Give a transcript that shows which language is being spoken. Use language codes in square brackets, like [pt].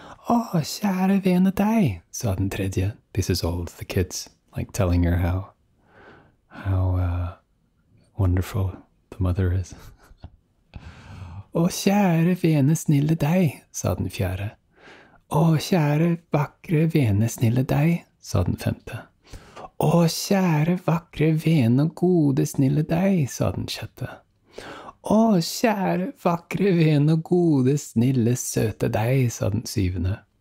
[no] «Å, kjære vene deg», sa den tredje. [en] This is all the kids, like telling her how wonderful the mother is. [no] «Å, kjære vene snille deg», sa den fjerde. «Å, kjære vakre vene snille deg», sa den femte. «Å, kjære vakre vene gode snille deg», sa den sjette. «Å, kjære vakre vene gode snille søte deg», sa den syvende.